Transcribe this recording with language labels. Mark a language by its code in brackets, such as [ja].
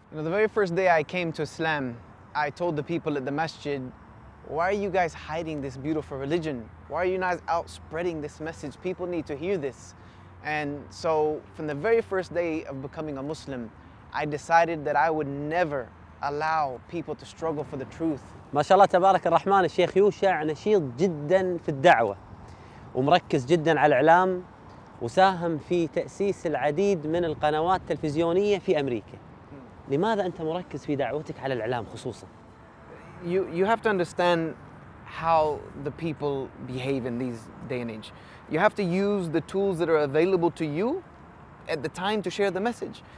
[en] You know, the very first day I came to Islam, I told the people at the masjid, why are you guys hiding this beautiful religion? Why are you not out spreading this message? People need to hear this. And so from the very first day of becoming a Muslim, I decided that I would never allow people to struggle for the truth. [ar] ما شاء الله تبارك الرحمن الشيخ يوشع نشيط جدا في الدعوة ومركز جدا على الإعلام وساهم في تأسيس العديد من القنوات التلفزيونية في أمريكا. لماذا أنت مركز في دعوتك على الإعلام خصوصا؟ [en] You have to understand how the people behave in these day and age. You have to use the tools that are available to you at the time to share the message.